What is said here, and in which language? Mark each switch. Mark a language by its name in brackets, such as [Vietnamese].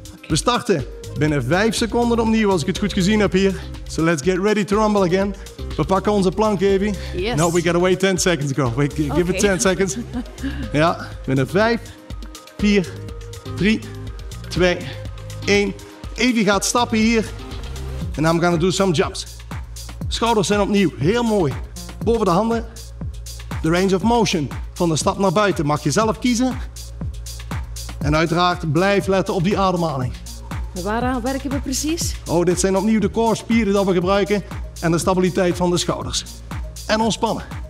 [Dutch] Okay. We starten binnen 5 seconden opnieuw, als ik het goed gezien heb hier. [English] So let's get ready to rumble again. [Dutch] We pakken onze plank, Evie. [English] Yes. No, we gotta wait 10 seconds ago. Wait, give it 10 seconds. [Dutch] Ja, binnen 5, 4, 3, 2, 1. Evie gaat stappen hier. [English] And I'm gonna do some jumps. [Dutch] Schouders zijn opnieuw, heel mooi. Boven de handen, [English] the range of motion. [Dutch] Van de stap naar buiten mag je zelf kiezen. En uiteraard blijf letten op die ademhaling. Waaraan werken we precies? Oh, dit zijn opnieuw de core spieren die we gebruiken en de stabiliteit van de schouders. En ontspannen.